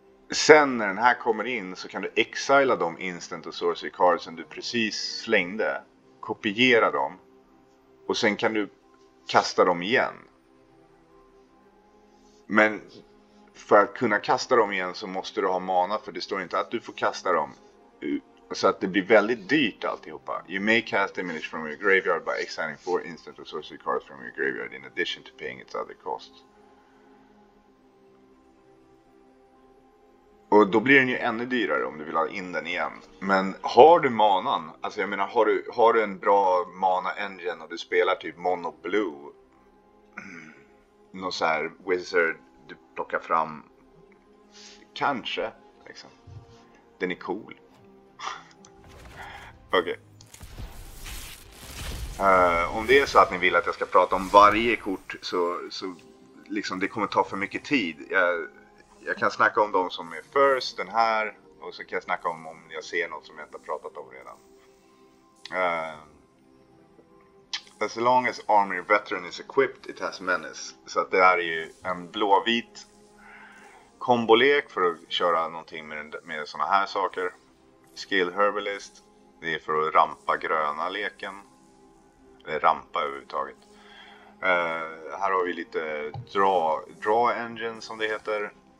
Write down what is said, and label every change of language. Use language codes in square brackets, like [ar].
[sv] Sen när den här kommer in så kan du exila de instant och sorcery cards som du precis slängde. Kopiera dem. Och sen kan du kasta dem igen. Men för att kunna kasta dem igen så måste du ha mana, för det står inte att du får kasta dem. Så att det blir väldigt dyrt alltihopa. [en] You may cast damage from your graveyard by exiling 4 instant or sorcery cards from your graveyard in addition to paying its other costs. [sv] Och då blir den ju ännu dyrare om du vill ha in den igen. Men har du manan, alltså jag menar, har du en bra mana-engine och du spelar typ Mono Blue, någon så här wizard du plockar fram, kanske, liksom. Den är cool. Okej. Okay. Om det är så att ni vill att jag ska prata om varje kort så liksom, det kommer ta för mycket tid. Jag kan snacka om de som är first, den här, och så kan jag snacka om jag ser något som jag inte har pratat om redan. [en] As long as army veteran is equipped, it has menace. [sv] Så att det här är ju en blå-vit kombolek för att köra någonting med såna här saker. Skill herbalist, det är för att rampa gröna leken. Eller rampa överhuvudtaget. Här har vi lite draw engine som det heter.